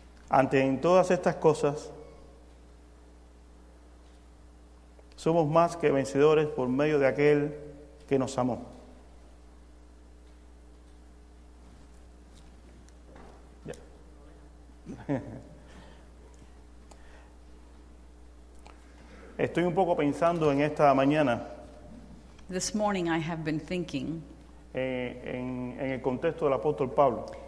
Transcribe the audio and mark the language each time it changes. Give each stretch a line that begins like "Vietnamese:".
Spanish: Ante en todas estas cosas, somos más que vencedores por medio de aquel que nos amó. Estoy un poco pensando en esta mañana.
English: This morning I have been thinking.
Spanish: En el contexto del apóstol Pablo.